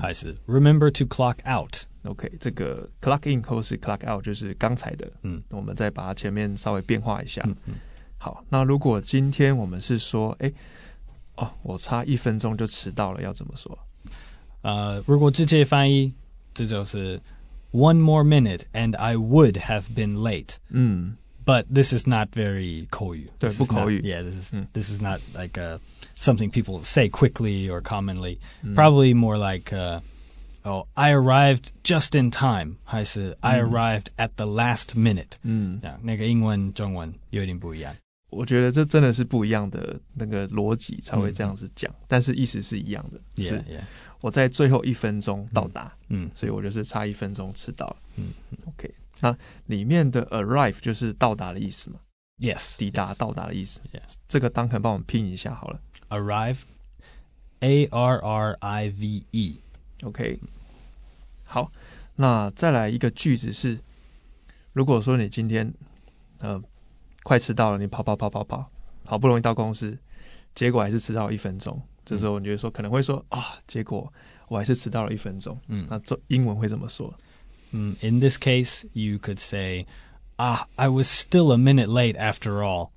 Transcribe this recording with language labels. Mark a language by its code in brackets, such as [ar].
[zh] 还是 [en] Remember to clock out？ [zh] OK， 这个 clock in 或是 clock out 就是刚才的，嗯，我们再把它前面稍微变化一下。嗯，好，那如果今天我们是说，哎，哦，我差一分钟就迟到了，要怎么说？如果直接翻译，这就是。 [en] One more minute, and I would have been late.、嗯、 But this is not very 口语 [zh] 对，不口语 [en] Yeah, this is not like something people say quickly or commonly.、嗯、Probably more like,、oh, I arrived just in time. [zh] 还是、 [en] 嗯、I arrived at the last minute.、嗯、 [zh] yeah, 那个英文中文有点不一样。我觉得这真的是不一样的那个逻辑才会这样子讲、嗯、但是意思是一样的 [en] Yeah, yeah. [zh] 我在最后一分钟到达、嗯嗯、所以我就是差一分钟迟到了、嗯、 OK 那里面的 arrive 就是到达的意思吗 [en] Yes [zh] 抵达到达的意思 [en] yes, [zh] 这个当肯帮我们拼一下好了 [en] Arrive A-R-R-I-V-E [zh] OK 好那再来一个句子是如果说你今天快迟到了你跑好不容易到公司结果还是迟到一分钟这时候你就说可能会说啊、哦，结果我还是迟到了一分钟。嗯，那这英文会怎么说？ [en] 嗯 ，In this case, you could say, "Ah, I was still a minute late after all."